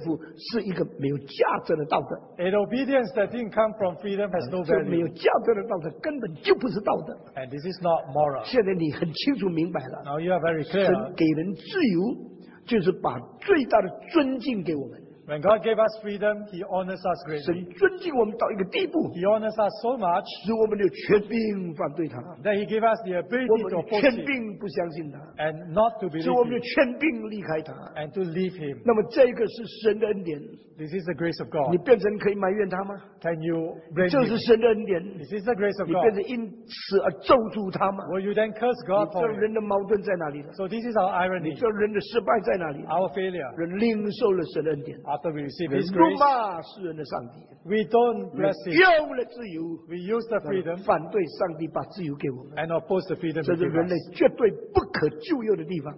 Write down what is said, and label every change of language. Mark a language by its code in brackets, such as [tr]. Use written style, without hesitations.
[zh] 没有自由产生的顺服是一个没有价值的道德。 [en] An obedience that didn't come from freedom has no value. [zh] 没有价值的道德根本就不是道德。 [en] And this is not moral. [zh] 现在你很清楚。 [en] Now you are very clear. [zh] 神给人自由，就是把最大的尊敬给我们。 [en] When God gave us freedom, He honors us greatly. [zh] 神尊敬我们到一个地步。 [en] He honors us so much. [zh] 使我们有权柄反对他。 [en] That He gave us the ability to oppose Him. [zh] 我们有权柄不相信他。 [en] And not to believe Him. [zh] 使我们有权柄离开他。 [en] And to leave Him. [zh] 那么这个是神的恩典。 [en] This is the grace of God. [zh] 你变成可以埋怨他吗？ [en] Can you blame Him? [zh] 这是神的恩典。 [en] This is the grace of God. [zh] 你变成因此而咒诅他吗？ [en] Will you then curse God for it? [zh] 你这人的矛盾在哪里？ [en] So this is our irony. [zh] 你这人的失败在哪里？ [en] Our failure. [zh] 人领受了神的恩典。 [en] After we receive His grace. We don't bless Him. [zh] 用了自由。 [en] We use the freedom. [zh] 反对上帝把自由给我们。 [en] And oppose the freedom. [zh] 这是人类绝对不可救药的地方。